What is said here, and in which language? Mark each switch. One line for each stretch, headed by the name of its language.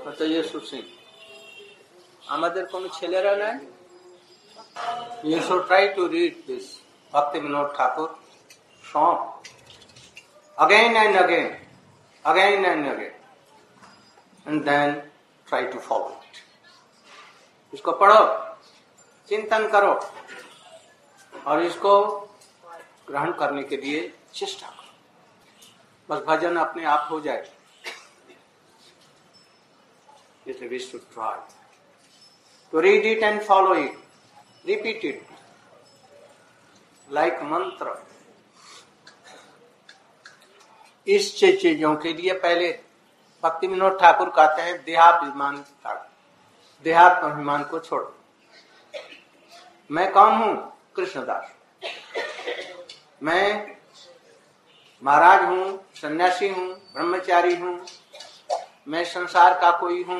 Hindi: येशु सिंह हमारे को
English: You try to read this Bhakti Vinod Thakur song again and again and then try to follow it.
Hindi: इसको पढ़ो, चिंतन करो और इसको ग्रहण करने के लिए चेष्टा करो, बस भजन अपने आप हो जाए।
English: It is wish to try to read it and follow it, repeat it like mantra.
Hindi: इस चीजों के लिए पहले भक्ति विनोद ठाकुर कहते हैं देहाभिमान ठाकुर, देहाभिमान को छोड़ो, मैं कौन हूं? कृष्णदास, मैं महाराज हूं, सन्यासी हूं, ब्रह्मचारी हूं, मैं संसार का कोई हूं।